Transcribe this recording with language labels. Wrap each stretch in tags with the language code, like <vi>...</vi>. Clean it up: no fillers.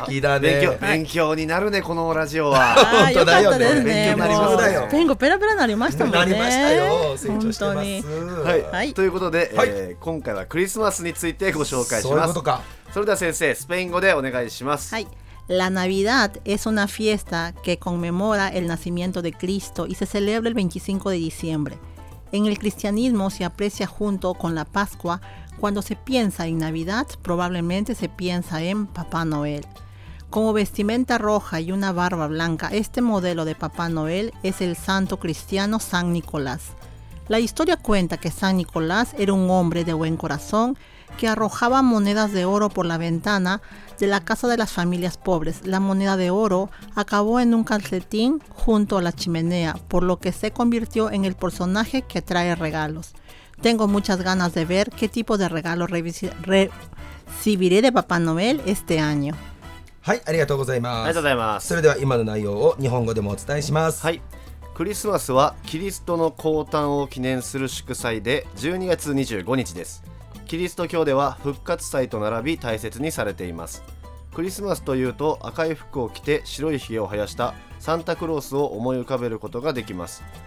<ja>素敵だね。勉強になるね、このラジオは。本当だよね。勉強になりますだよ。スペイン語ペラペラになりましたもんね。なりましたよ。成長してます。はい。ということで、はい、今回はクリスマスについてご紹介します。そういうことか。それでは先生、スペイン語でお願いします。はい。</ja> <es>La Navidad es una fiesta que conmemora el nacimiento de Cristo y se celebra el 25 de diciembre. En el cristianismo se aprecia junto con la Pascua. Cuando se piensa en Navidad, probablemente se piensa en Papá Noel. Como vestimenta roja y una barba blanca, este modelo de Papá Noel es el santo cristiano San Nicolás. La historia cuenta que San Nicolás era un hombre de buen corazón que arrojaba monedas de oro por la ventana de la casa de las familias pobres. La moneda de oro acabó en un calcetín junto a la chimenea, por lo que se convirtió en el personaje que trae regalos. Tengo muchas ganas de ver qué tipo de regalo recibiré de Papá Noel este año.</es> <ja>はい、ありがとうございます。ありがとうございます。それでは今の内容を日本語でもお伝えします。はい。クリスマスはキリストの降誕を記念する祝祭で12月25日です。キリスト教では復活祭と並び大切にされています。クリスマスというと赤い服を着て白いひげを生やしたサンタクロースを思い浮かべることができます。</ja>